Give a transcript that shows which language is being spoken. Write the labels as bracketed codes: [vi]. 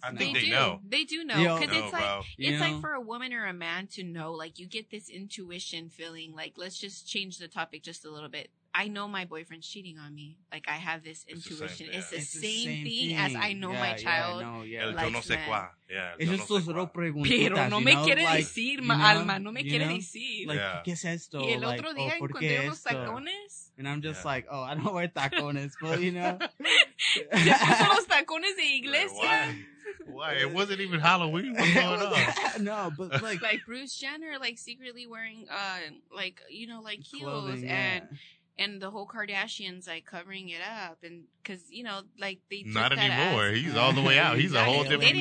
[en] know. I think they know. They do know. Because it's like, bro, it's like for a woman or a man to know, like, you get this intuition feeling, like, let's just change the topic just a little bit. I know my boyfriend's cheating on me. Like, I have this intuition. It's the same thing as I know my child. Yeah, yeah, no, yeah. Yeah. [es] Pero no me quiere decir, alma. No me quiere decir. Like, ¿qué es esto? Y el otro día encontré unos tacones. [en] And I'm just like, oh, I don't wear tacones. But, you know. [es] ¿Esos son los tacones de iglesia? [en] Why? It wasn't even Halloween. What's going on? No, but like... Like, Bruce Jenner, like, secretly wearing, like, you know, like, heels. And... And the whole Kardashians, like, covering it up. And because, you know, like, they took not that anymore. Ass. He's all the way out. He's a whole different person.